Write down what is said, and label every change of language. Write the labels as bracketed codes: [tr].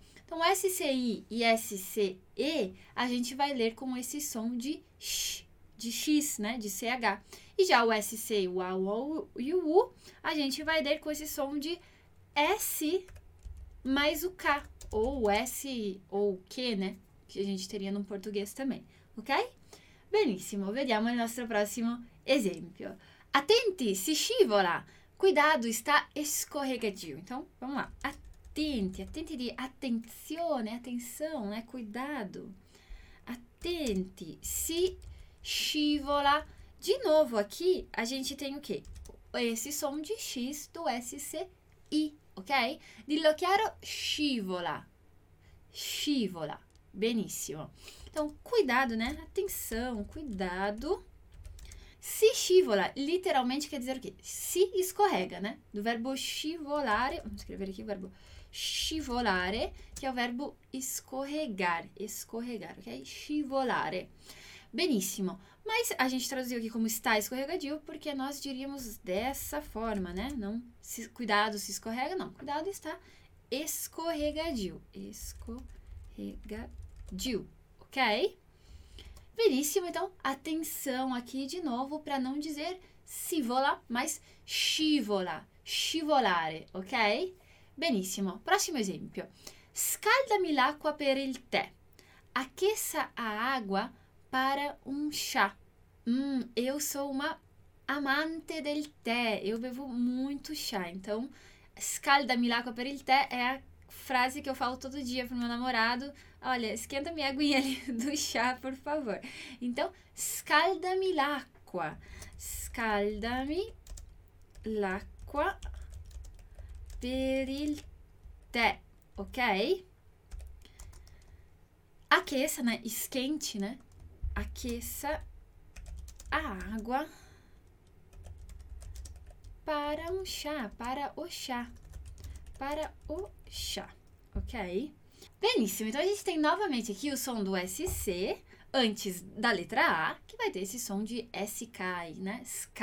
[pt] Então, SCI e SCE, a gente vai ler com esse som de X, né? De CH. E já o SC, o A, o e o U, a gente vai ler com esse som de S mais o K, ou S ou Q, né? Que a gente teria no português também, ok? [it] Benissimo, vediamo il nostro prossimo esempio. Attenti, si scivola! [pt] Cuidado, está escorregadio. Então, vamos lá. [it] Attenti, attenti di attenzione, attenzione, [pt] né? Cuidado. [it] Attenti, si scivola. [pt] De novo aqui, a gente tem o quê? Esse som de X do SCI, ok? [it] Dillo chiaro, scivola. Scivola. Benissimo. [pt] Então, cuidado, né? Atenção, cuidado. [it] Si scivola, [pt] literalmente quer dizer o quê? Si escorrega, né? Do verbo scivolare, vamos escrever aqui o verbo scivolare, que é o verbo escorregar, escorregar, ok? [it] Scivolare. Benissimo. [pt] Mas a gente traduziu aqui como está escorregadio, porque nós diríamos dessa forma, né? Não, se, cuidado, se escorrega, não. Cuidado, está escorregadio. Escorregadio, ok? Benissimo, então, atenção aqui de novo para não dizer scivola, mas scivola, scivolare, ok? Benissimo, próximo exemplo. [it] Scaldami l'acqua per il tè. [pt] Aqueça a água para um chá. Eu sou uma amante [it] del tè, [pt] eu bevo muito chá. Então, [it] scaldami l'acqua per il tè [pt] é a frase que eu falo todo dia pro meu namorado. Olha, esquenta minha aguinha ali do chá, por favor. [it] Então, scaldami l'acqua. Scaldami l'acqua per il tè, ok? [pt] Aqueça, né? Esquente, né? Aqueça a água para um chá, para o chá. Para o chá, ok? Beníssimo, então a gente tem novamente aqui o som do SC antes da letra A, que vai ter esse som de SK aí, né? SK.